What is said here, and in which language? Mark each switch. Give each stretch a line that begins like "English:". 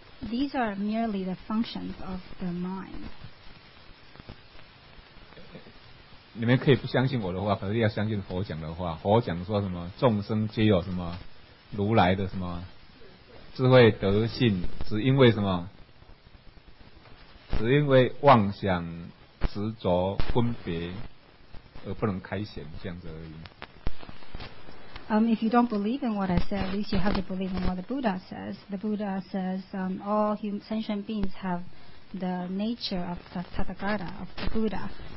English: These are merely the functions of the mind.
Chinese: 你们可以不相信我的话，可是要相信佛讲的话。佛讲说什么？众生皆有什么如来的什么智慧德性，只因为什么？是因为妄想执着分别而不能开显，这样子而已。
English: If you don't believe in what I said, at least you have to believe in what the Buddha says. The Buddha says all human sentient beings have the nature of Tathagata, of the Buddha.